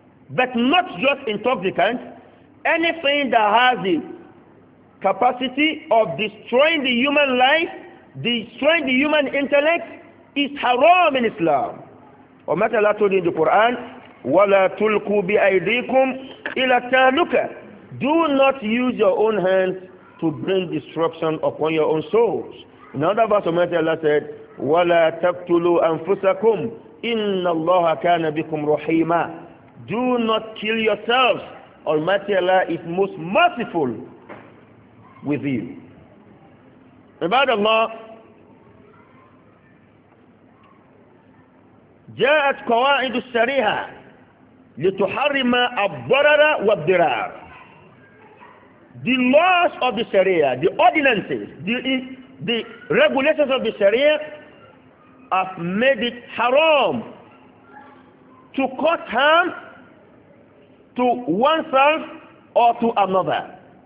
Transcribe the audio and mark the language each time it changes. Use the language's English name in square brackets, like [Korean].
[English] But not just intoxicants, anything that has the capacity of destroying the human life, destroying the human intellect, is haram in Islam. Or matter Allah told in the Quran, [Arabic] وَلَا تُلْقُوا بِأَيْدِيكُمْ إِلَى التَّهْلُكَةِ. [English] Do not use your own hands to bring destruction upon your own souls. In another verse, matter Allah said, [Arabic] وَلَا تَقْتُلُوا أَنفُسَكُمْ إِنَّ اللَّهَ كَانَ بِكُمْ رُحِيمًا. [English] Do not kill yourselves. Almighty Allah is most merciful with you. Ibad Allah, [Arabic] جاءت قواعد الشريعة لتحرم الضرر والضرار. [English] The laws of the Sharia, the ordinances, the regulations of the Sharia have made it haram to cause harm to oneself or to another.